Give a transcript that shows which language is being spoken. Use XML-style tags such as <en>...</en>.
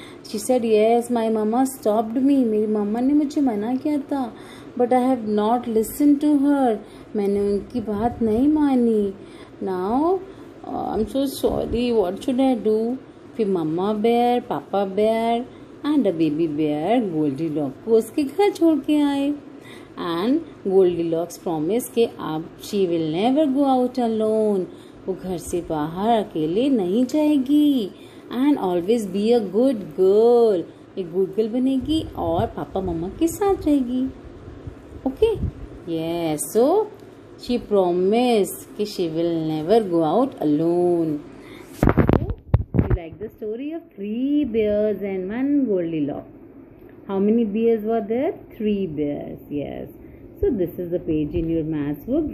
<en>she said, yes my mama stopped me,</en> <hi>मेरी मामा ने मुझे मना किया था,</hi> <en>but I have not listen to her,</en> <hi>मैंने उनकी बात नहीं मानी,</hi> <en>Now I am so sorry, what should I do.</en> <hi>फिर मामा बेयर, पापा bear and a baby bear Goldilocks को उसके घर छोड़ के आए.</hi> <en>And Goldilocks promised के अब she will never go out alone.</en> <hi>वो घर से बाहर अकेले नहीं जाएगी.</hi> <en>And always be a good girl.</en> <hi>एक good girl बनेगी और पापा मम्मा के साथ रहेगी.</hi> <en>Okay? Yes. So she promised कि she will never go out alone. So you like the story of three bears and one Goldilocks? How many bears were there? Three bears, yes. So this is the page in your maths book.</en>